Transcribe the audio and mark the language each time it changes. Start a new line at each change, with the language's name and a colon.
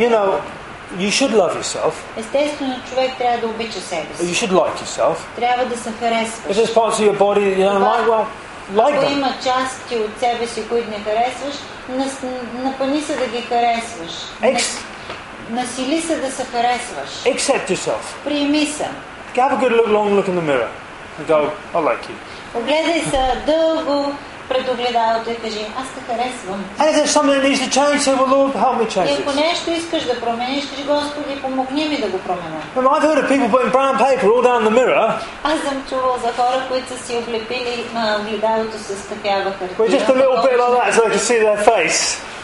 English: You know, you should love yourself.
Bulgarian: Естествено, човек трябва да обича себе си.
English: You should like yourself.
Bulgarian: Трябва да се харесваш.
English: If there's parts of your body that you don't like, well, like them.
Bulgarian: Ако има части от себе си, които не харесваш, напъни се да ги харесваш. Насили се да се харесваш.
English: Accept yourself.
Bulgarian: Приеми се.
English: Have a good long look in the mirror and go, I like you.
Bulgarian: Огледай се дълго пред огледалото и кажи, аз те харесвам.
English: And if there's something that needs to change, say, well, Lord, help me change this.
Bulgarian: И ако нещо искаш да промениш, кажи, Господи, помогни ми да го променя.
English: I've heard of people putting brown paper all down the mirror.
Bulgarian: Аз съм чувал за хора, които са си облепили огледалото с такава хартия.
English: With just a little bit like that, so I can see their face.